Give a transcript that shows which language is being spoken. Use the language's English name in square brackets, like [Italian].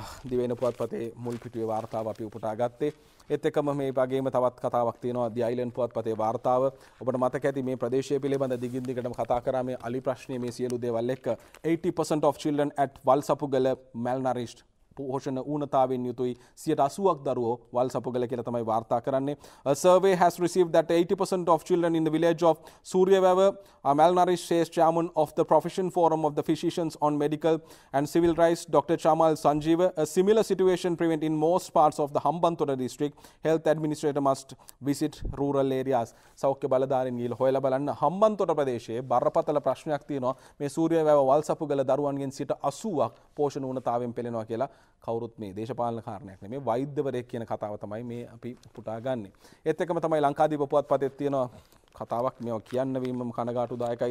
[Sinhala] දිවයින පුවත්පතේ මුල් පිටුවේ වාර්තාව අපි උපුටා ගත්තේ. එත් එකම මේ වගේම තවත් කතාවක් තියෙනවා දි අයිලන්ඩ් පුවත්පතේ වාර්තාව. ඔබට මතක ඇති මේ ප්‍රදේශය පිළිබඳ දිගින් දිගටම කතා කරා. මේ අලි ප්‍රශ්නේ මේ සියලු දේවල් එක්ක [English] 80% of children at Walsapugala malnourished. [Sinhala] පෝෂණ ඌනතාවෙන් යුතුයි 80%ක් දරුවෝ වල්සපුගල කියලා තමයි වාර්තා කරන්නේ. [English] A survey has received that 80% of children in the village of Suryaveva are malnourished, says chairman of the profession forum of the physicians on medical and civil rights, Dr. Chamal Sanjeeva. A similar situation prevent in most parts of the Hambantota district. Health administrator must visit rural areas. [Sinhala] සෞඛ්‍ය බලධාරීන් ගිහිල් හොයලා බලන්න. හම්බන්තොට ප්‍රදේශයේ බරපතල ප්‍රශ්නයක් තියෙනවා. මේ සූර්යවැව වල්සපුගල දරුවන්ගෙන් 80%ක් පෝෂණ ඌනතාවෙන් පෙළෙනවා කියලා කවුරුත් මේ දේශපාලන කාරණයක් නෙමෙයි වෛද්‍යවරයෙක් කියන කතාව තමයි මේ අපි පුටා ගන්නෙ. ඒත් එකම තමයි ලංකාදීප පුවත්පතේ තියෙන කතාවක්. මේව කියන්න වීමම කනගාටුදායකයි.